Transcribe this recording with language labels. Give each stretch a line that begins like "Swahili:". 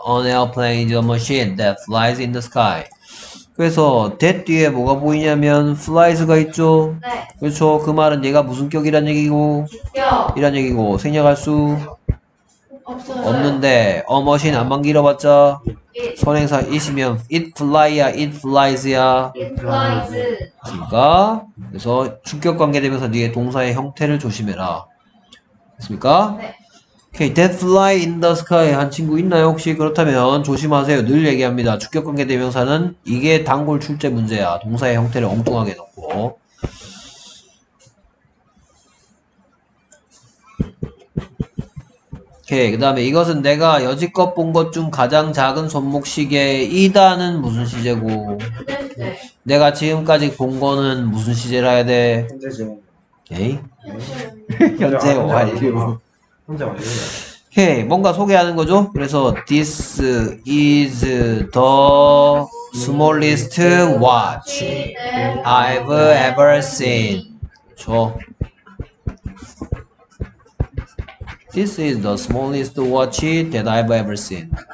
English: On airplane is a machine that flies in the sky.
Korean: 그래서 that 뒤에 뭐가 보이냐면 flies가 있죠. 네. 그렇죠. 그 말은 얘가 무슨 격이란 얘기고 주격. 이란 얘기고 생략할 수 없어요. 없는데 a machine 안만 길어봤자
English: it.
Korean: 선행사 있으면 it fly야 it flies야
English: it flies
Korean: 그러니까 그래서 주격 관계되면서 뒤에 동사의 형태를 조심해라. 됐습니까? 네.
English: Okay, that fly in the sky
Korean: 한 친구 있나요? 혹시 그렇다면 조심하세요. 늘 얘기합니다. 주격관계 대명사는 이게 단골 출제 문제야. 동사의 형태를 엉뚱하게 놓고. 오케이, 그 다음에 이것은 내가 여지껏 본 것 중 가장 작은 손목시계이다는 무슨 시제고 내가 지금까지 본 거는 무슨 시제라 해야 돼? 현재죠. 에이? 현재 완료. 혼자 오케이, 뭔가 소개하는 거죠? 그래서
English: this is the smallest watch I've ever seen.
Korean: 그렇죠?
English: This is the smallest watch that I've ever seen.